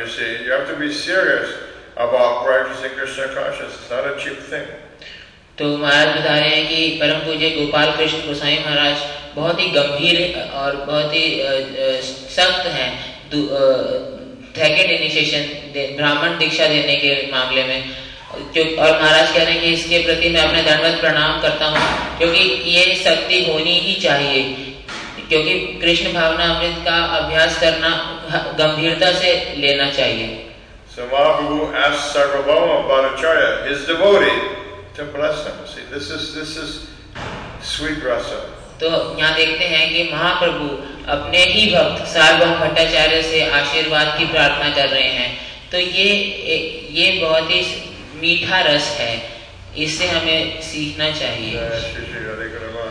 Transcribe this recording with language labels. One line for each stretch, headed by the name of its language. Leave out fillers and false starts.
English: You see, you have to be serious about practicing Krishna consciousness. It's not a cheap thing.
Hindi: तो महाराज बता रहे हैं कि परम पूज्य गोपाल कृष्ण गोस्वामी महाराज बहुत ही गंभीर और बहुत ही सख्त हैं सेकेंड इनिशिएशन ब्राह्मण दीक्षा देने के मामले में, जो और महाराज कह रहे हैं कि इसके प्रति मैं अपने दंडवत प्रणाम करता हूँ, क्योंकि ये शक्ति होनी ही चाहिए, क्योंकि कृष्ण भावना अमृत का अभ्यास करना गंभीरता से लेना चाहिए।
English: So Mahaprabhu asked Sarvabhauma Bhattacharya, his devotee, to bless him. See, this is sweet rasa.
Hindi: तो यहाँ देखते हैं कि महाप्रभु अपने ही भक्त सार्वभौम भट्टाचार्य से आशीर्वाद की प्रार्थना कर रहे हैं। तो ये बहुत ही मीठा रस है, इससे हमें सीखना चाहिए।